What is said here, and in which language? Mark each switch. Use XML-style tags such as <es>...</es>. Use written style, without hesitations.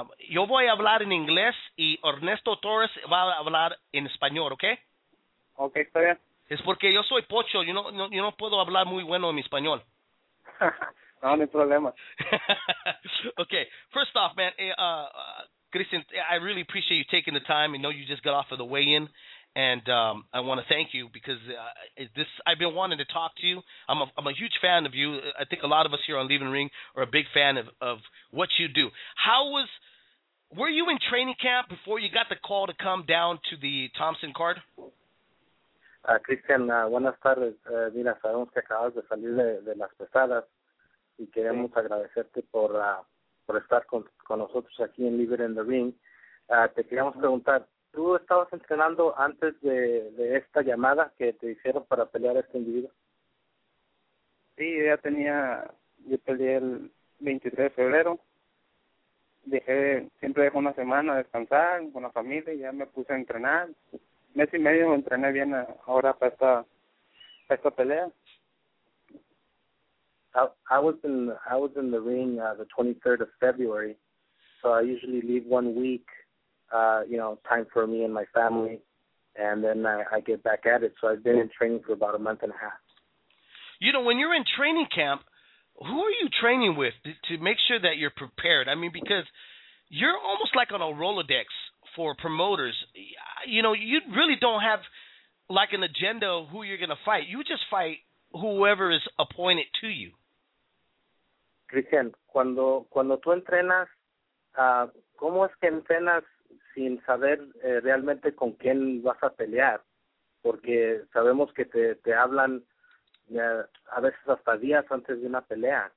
<es>Yo voy a hablar en inglés y Ernesto Torres va a hablar en español, ¿ok? Ok, está bien. Es porque yo soy pocho, yo no puedo hablar muy bueno en mi español. No, no hay problema.</es> <en>Ok, first off, man, Cristian, I really appreciate you taking the time. I know you just got off of the weigh-in, and I want to thank you because I've been wanting to talk to you. I'm a huge fan of you. I think a lot of us here on Leaving Ring are a big fan of what you do. Were you in training camp before you got the call to come down to the Thompson card?</en> <es>Cristian, buenas tardes. Mira, sabemos que acabas de salir de las pesadas y queremos sí. agradecerte por estar con nosotros aquí en Leaving in the Ring. Te queríamos preguntar, ¿tú estabas entrenando antes de esta llamada que te hicieron para pelear a este individuo? Sí, yo peleé el 23 de febrero. Siempre dejé una semana a descansar con la familia y ya me puse a entrenar. Mes y medio entrené bien ahora para esta pelea.</es> <en>I was in the ring the 23rd of February, so I usually leave 1 week. You know, time for me and my family, and then I get back at it. So I've been in training for about a month and a half. You know, when you're in training camp, who are you training with to make sure that you're prepared? I mean, because you're almost like on a Rolodex for promoters. You know, you really don't have like an agenda of who you're going to fight. You just fight whoever is appointed to you.</en> <es>Cristian, cuando tú entrenas, ¿cómo es que entrenas sin saber realmente con quién vas a pelear? Porque sabemos que te hablan ya, a veces hasta días antes de una pelea.</es>